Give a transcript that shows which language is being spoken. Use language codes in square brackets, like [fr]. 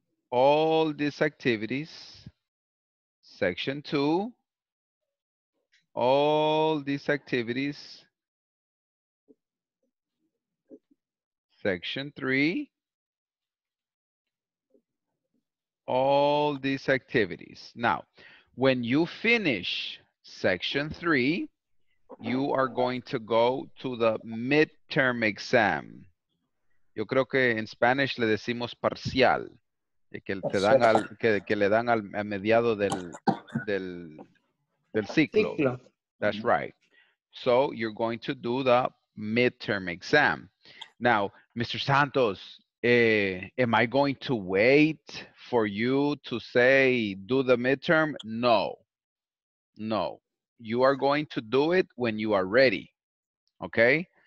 [en] all these activities, section 2, all these activities, section 3, all these activities. Now, when you finish section 3, you are going to go to the midterm exam. [es] Yo creo que en Spanish le decimos parcial, que le dan al mediado del ciclo. [en] That's right. So you're going to do the midterm exam. Now, Mr. Santos, am I going to wait for you to say, do the midterm? No, no. You are going to do it when you are ready, okay?